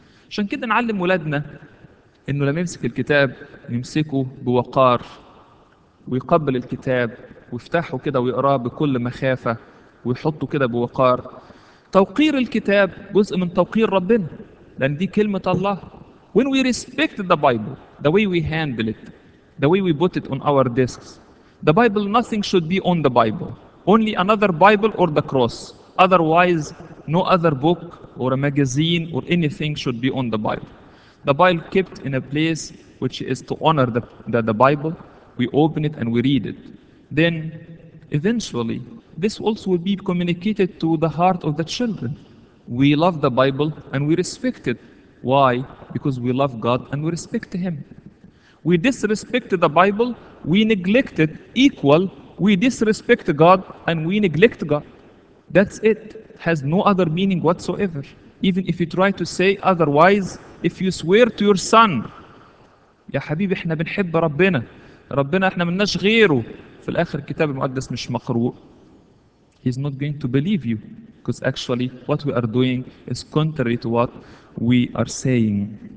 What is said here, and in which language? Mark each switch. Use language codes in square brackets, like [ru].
[ar] عشان كده نعلم ولادنا إنه لما يمسك الكتاب يمسكه بوقار ويقبل الكتاب ويفتحه كده ويقراه بكل مخافة ويحطه كده بوقار. توقير الكتاب جزء من توقير ربنا لأن دي كلمة الله. [en] When we respect the Bible, the way we handle it, the way we put it on our desks, the Bible, nothing should be on the Bible. Only another Bible or the cross. Otherwise, no other book or a magazine or anything should be on the Bible. The Bible kept in a place which is to honor the Bible. We open it and we read it. Then, eventually, this also will be communicated to the heart of the children. We love the Bible and we respect it. Why? Because we love God and we respect Him. We disrespect the Bible, we neglect it. Equal, we disrespect God and we neglect God. That's it. Has no other meaning whatsoever. Even if you try to say otherwise, if you swear to your son, [ar] يا حبيبي احنا بنحب ربنا، ربنا احنا مناش غيره، في الاخر الكتاب المقدس مش مقروء. [en] He's not going to believe you, because actually what we are doing is contrary to what we are saying.